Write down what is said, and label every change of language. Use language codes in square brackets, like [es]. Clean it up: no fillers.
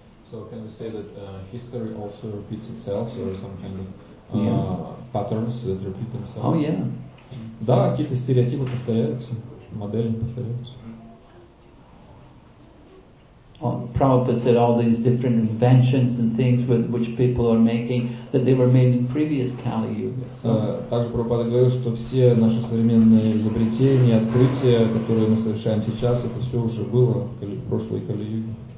[en] So can we say that history also repeats itself, or some kind of patterns that repeat themselves? Oh yeah. [ru] Да, какие-то стереотипы повторяются, модели повторяются. [en] Prabhupada said all these different inventions and things which people are making that they were made in previous Kali Yuga. [ru] Также Прабхупада говорил, что все наши современные изобретения, открытия, которые мы совершаем сейчас, это все уже было в прошлой Кали Юге.